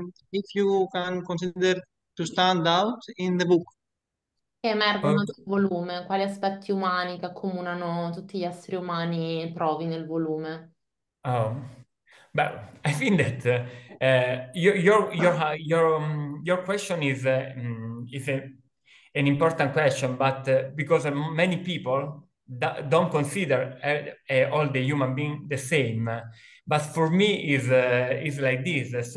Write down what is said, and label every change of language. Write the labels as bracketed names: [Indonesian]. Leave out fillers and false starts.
[English] if you can consider to stand out in the book. [Italian] Che emergono sul volume, quali aspetti umani che accomunano tutti gli esseri umani trovi nel volume? [English] Well, I think that your question is an important question, but because many people don't consider all the human beings the same, but for me is like this.